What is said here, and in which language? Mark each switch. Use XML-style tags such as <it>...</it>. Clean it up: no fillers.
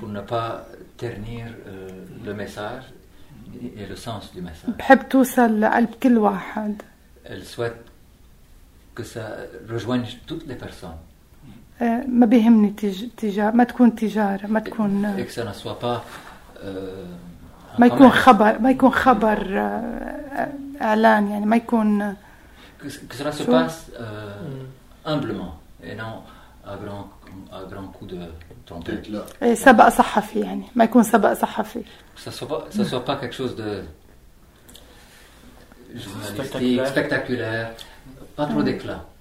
<fr>pour ne pas ternir le message et le sens du message.</fr> <ar>بحب توصل لقلب كل واحد.</ar> <fr>Elle souhaite que ça rejoigne toutes les personnes.</fr> <ar>ما بيهمني تجارة ما تكون تجارة ما تكون</ar> <fr>et que ça ne soit pas</fr> <ar>ما يكون خبر ما يكون خبر اعلان يعني ما يكون</ar> <fr>que cela se passe humblement et non à grand coup de trompette là.</fr> <ar>Et سبق صحفي يعني ما يكون سبق صحفي.</ar> <fr>Ça soit pas quelque chose de journalistique spectaculaire, pas trop d'éclat.</fr>